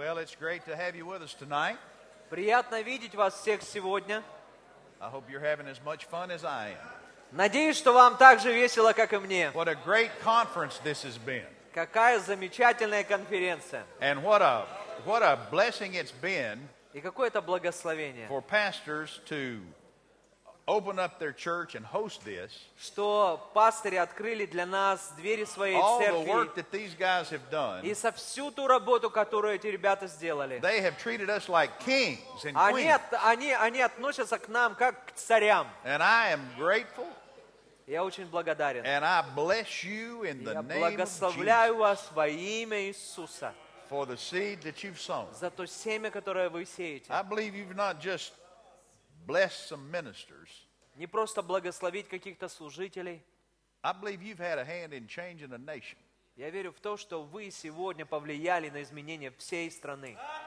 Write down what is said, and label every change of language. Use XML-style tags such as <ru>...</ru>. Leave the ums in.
<en>it's great to have you with us tonight.</en> <ru>Приятно видеть вас всех сегодня.</ru> <en>I hope you're having as much fun as I am.</en> <ru>Надеюсь, что вам так весело, как и мне.</ru> <en>What a great conference this has been.</en> <ru>Какая замечательная конференция.</ru> <en>And what a what a blessing it's been.</en> <ru>И какое это благословение.</ru> <en>For pastors to open up their church and host this,</en> <ru>что пастыри открыли для нас двери своей</ru> <en>all</en> <ru>церкви,</ru> <en>the work that these guys have done,</en> <ru>и со всю ту работу, которую эти ребята сделали,</ru> <en>they have treated us like kings and</en> <ru>они,</ru> <en>queens.</en> <ru>От, они, они относятся к нам как к царям.</ru> <en>And I am grateful,</en> <ru>я очень благодарен.</ru> <en>And I bless you in the</en> <ru>я благословляю</ru> <en>name of Jesus.</en> <ru>вас во имя Иисуса.</ru> <en>For the seed that you've sown.</en> <ru>За то семя, которое вы сеете.</ru> <en>I believe you've not just bless some ministers.</en> <ru>Не просто благословить каких-то служителей.</ru> <en>I believe you've had a hand in changing a nation.</en> <ru>Я верю в то, что вы сегодня повлияли на изменение всей страны.</ru>